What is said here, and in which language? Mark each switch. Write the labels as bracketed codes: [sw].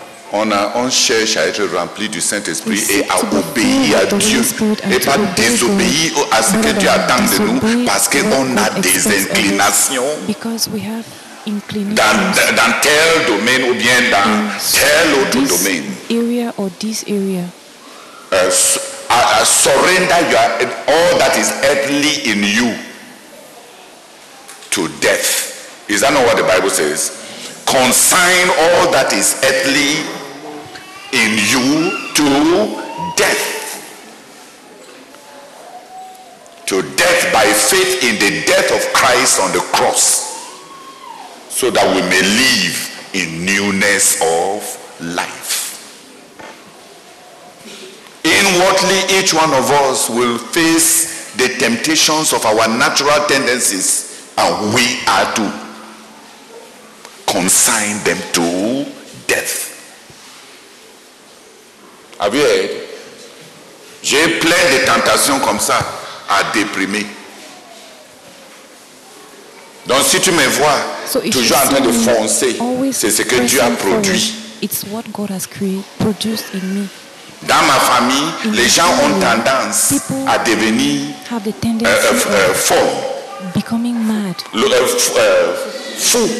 [fr] On cherche à être rempli du Saint-Esprit et à obéir à Dieu et pas désobéir à ce que Dieu attend de nous parce qu'on a des inclinations dans tel domaine ou bien dans tel autre domaine. [en] Area or this area. Surrender your, all that is earthly in you to death. Is that not what the Bible says? Consign all that is earthly in you to death. To death by faith in the death of Christ on the cross. So that we may live in newness of life. Inwardly, each one of us will face the temptations of our natural tendencies, and we are to consign them to death. Have you heard? [fr] J'ai plein de tentations comme ça à déprimer. Donc si tu me vois toujours en train de foncer, c'est ce que Dieu a produit. [en] It's what God has produced in me. [fr] Dans ma famille, les gens ont tendance à devenir fou.